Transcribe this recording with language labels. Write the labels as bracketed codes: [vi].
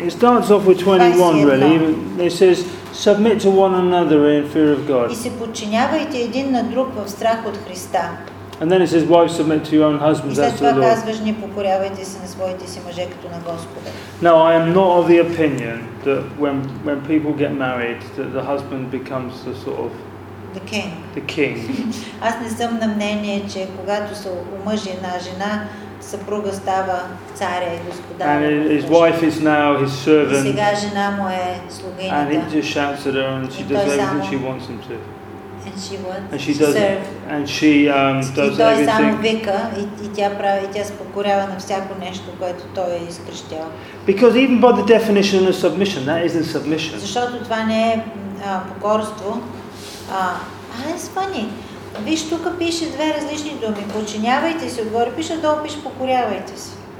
[en] It starts off with 21, really. It says, submit to one another in fear of God. [bg] И се подчинявайте един на друг в страх от Христа. [en] And then it says, wives, submit to your own husbands as to the Lord. [bg] И казваш, не покорявайте се на своите си мъже като на Господа. [en] Now I am not of the opinion that when people get married that the husband becomes the sort of the king. [bg] Аз не съм на мнение, че когато се омъжи една жена, съпруга става царя и господар. [en] And his wife is now his servant. [bg] Сега жена му е слугинята. [en] And he just shouts at her and she does everything she wants him to. And she wants to serve. And she does everything. [bg] И той само вика и тя прави, тя се покорява на всяко нещо, което той е изкрещял. [en] Because even by the definition of submission, that isn't submission. [bg] Защото това не е покорство. [en] That's funny. [bg] Виж, тук пише две различни думи. Подчинявайте се отгоре, пише долу, пише покорявайте се.